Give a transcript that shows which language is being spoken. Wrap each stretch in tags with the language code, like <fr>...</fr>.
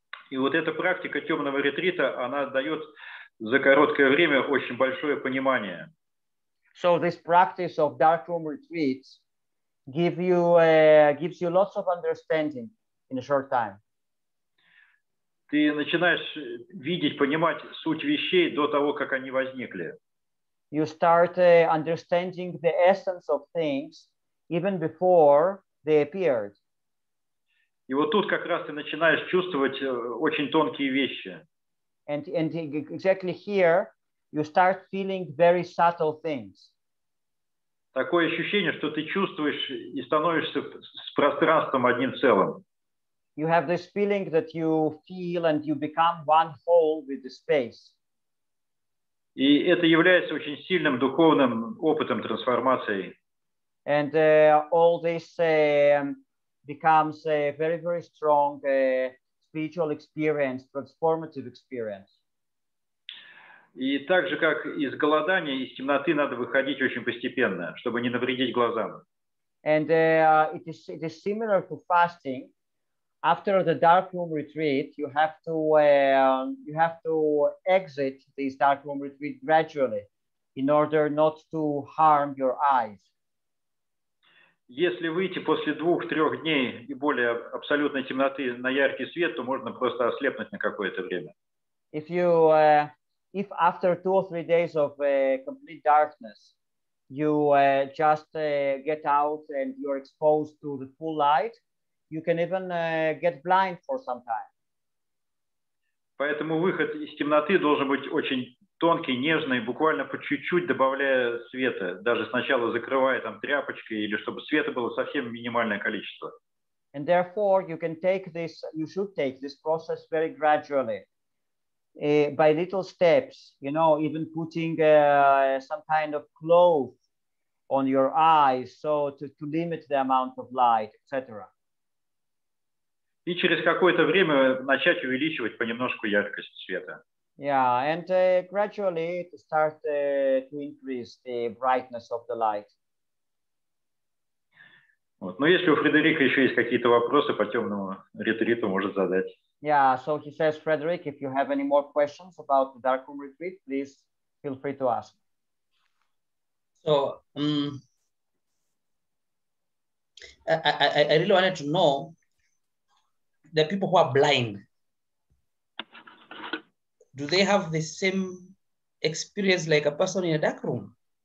<ru>И вот эта практика темного ретрита, она дает за короткое время очень большое понимание.</ru> <en>So this practice of dark room retreats gives you lots of understanding in a short time.</en> <ru>Ты начинаешь видеть, понимать суть вещей до того, как они возникли.</ru> <en>You start understanding the essence of things even before they appeared.</en> <ru>И вот тут как раз ты начинаешь чувствовать очень тонкие вещи.</ru> <en>And exactly here you start feeling very subtle things.</en> <ru>Такое ощущение, что ты чувствуешь и становишься с пространством одним целым.</ru> <en>You have this feeling that you feel and you become one whole with the space.</en> <ru>И это является очень сильным духовным опытом трансформации.</ru> <en>And all this becomes a very, very strong spiritual experience, transformative experience.</en> <ru>И так же, как из голодания, из темноты надо выходить очень постепенно, чтобы не навредить глазам.</ru> <en>And it is similar to fasting. After the dark room retreat, you have to exit this dark room retreat gradually in order not to harm your eyes.</en> <ru>Если выйти после 2-3 дней и более абсолютной темноты на яркий свет, то можно просто ослепнуть на какое-то время.</ru> <en>If you if after 2-3 days of complete darkness, you just get out and you're exposed to the full light, you can even get blind for some time.</en> <ru>Поэтому выход из темноты должен быть очень тонкий, нежный, буквально по чуть-чуть добавляя света, даже сначала закрывая там тряпочкой или чтобы света было совсем минимальное количество.</ru> <en>And therefore, you should take this process very gradually, by little steps, you know, even putting some kind of cloth on your eyes so to limit the amount of light, etc.</en> <ru>И через какое-то время начать увеличивать понемножку яркость света.</ru> <en>Yeah, and gradually to start to increase the brightness of the light.</en> <ru>Вот. Но если у Фредерика еще есть какие-то вопросы по темному ретриту, может задать.</ru> <en>Yeah, so he says, Frederick, if you have any more questions about the dark room retreat, please feel free to ask. So, I really wanted to know the people who are blind, do they have the same experience like a person in a dark room?</en>